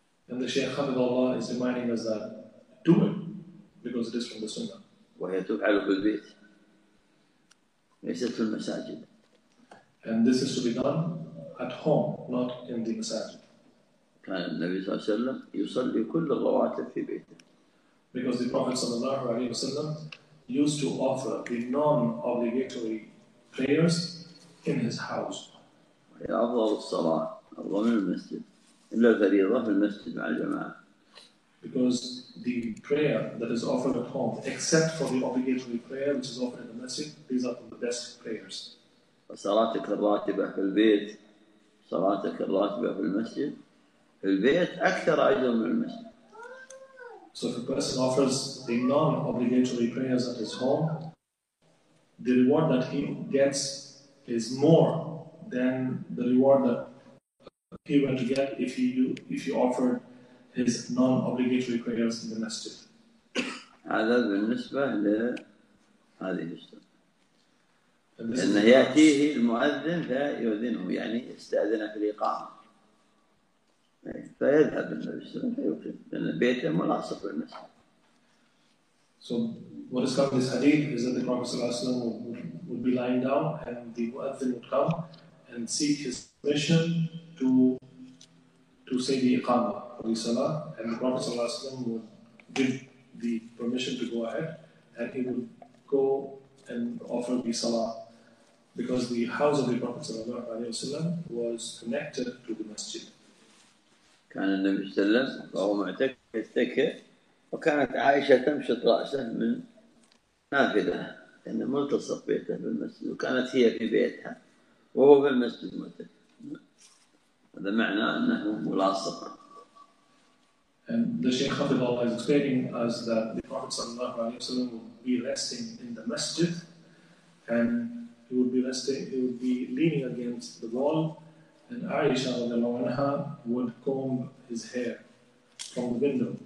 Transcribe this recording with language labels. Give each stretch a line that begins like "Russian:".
English: And the Shaykh Hafidhullah is reminding us that do it because it is from the sunnah.
Arabic: وهي تفعل في البيت ليست في المساجد.
English: And this is to be done at home, not in the masajid.
Arabic: كان النبي صلى الله عليه وسلم يصلي كل الرواتب في بيته.
English: Because the Prophet صلى الله عليه وسلم used to offer the non-obligatory prayers in his house.
Arabic: هي أفضل الصلاة أفضل من المسجد إلا الفريضة في المسجد مع الجماعة.
English: Because the prayer that is offered at home, except for the obligatory prayer which is offered in the masjid, these are the best prayers.
Arabic: صلاتك الراتبة في البيت، صلاتك الراتبة في المسجد، في البيت أكثر أجر من المسجد.
English: So if a person offers the non-obligatory prayers at his home, the reward that he gets is more than the reward that he went to get if he offered his non-obligatory prayers in the masjid.
Arabic: هذا بالنسبة لهذه السنة. إنه يأتيه المؤذن فيؤذنه يعني استأذن في الإقامة. فيذهب بالنبي صلى الله عليه وسلم لأن بيته ملاصق بالمسجد.
English: So what is coming this hadith is that the Prophet صلى الله عليه وسلم would be lying down and the muadhin would come and seek his permission to say the iqama. And the Prophet would give the permission to go ahead and he would go and offer the salah because the house of the Prophet was connected to the masjid.
Arabic: كان النبي صلى الله عليه وسلم وهو معتكف يتكئ وكانت عائشة تمشط رأسه من نافذة لأنه ملتصق بيته بالمسجد وكانت هي في بيتها وهو في المسجد معتكف. هذا معنى أنه ملاصق.
English: And the Shaykh Hafidhullah is explaining us that the Prophet ﷺ would be resting in the masjid and he would be leaning against the wall and Aisha anha would comb his hair from the window.